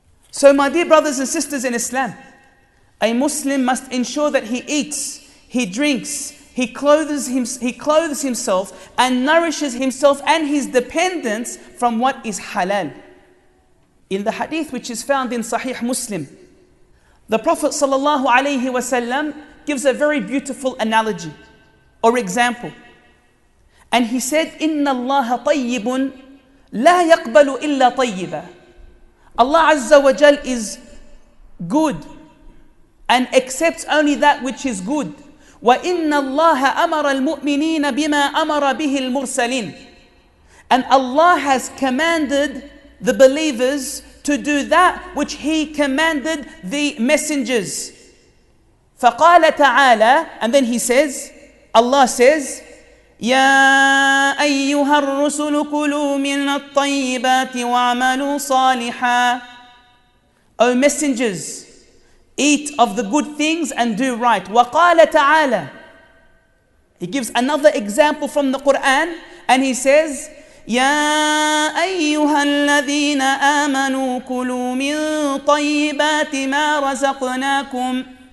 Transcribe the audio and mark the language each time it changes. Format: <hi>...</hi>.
<en>So my dear brothers and sisters in Islam, a Muslim must ensure that he eats, he drinks, he clothes himself and nourishes himself and his dependents from what is halal. In the hadith which is found in Sahih Muslim, the Prophet sallallahu alayhi wasallam gives a very beautiful analogy or example. And he said,</en> <ar>إِنَّ اللَّهَ طَيِّبٌ لَا يَقْبَلُ إِلَّا طَيِّبًا.</ar> <en>Allah Azza wa Jal is good and accepts only that which is good.</en> <ar>وَإِنَّ اللَّهَ أَمَرَ الْمُؤْمِنِينَ بِمَا أَمَرَ بِهِ الْمُرْسَلِينَ.</ar> <en>And Allah has commanded the believers to do that which He commanded the messengers.</en> <ar>فَقَالَ تَعَالَى.</ar> <en>And then He says, Allah says,</en> <ar>يا أيها الرسل كلوا من الطيبات وعملوا صالحا.</ar> <en>O messengers, eat of the good things and do right.</en> <ar>وقال تعالى.</ar> <en>He gives another example from the Quran and he says,</en> <ar>يا أيها الذين آمنوا كلوا من طيبات ما رزقناكم.</ar>